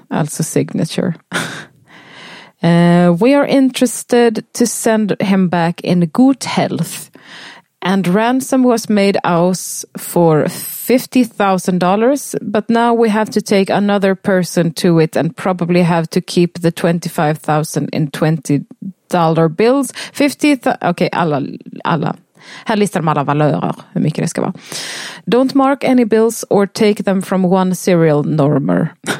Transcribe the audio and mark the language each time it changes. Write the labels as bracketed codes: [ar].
[en] Also signature. we are interested to send him back in good health. And ransom was made out for $50,000, but now we have to take another person to it and probably have to keep the $25,000 in $20 bills. [sv] Okay, alla. Här listar de alla valörer, hur mycket det ska vara. [en] Don't mark any bills or take them from one serial number.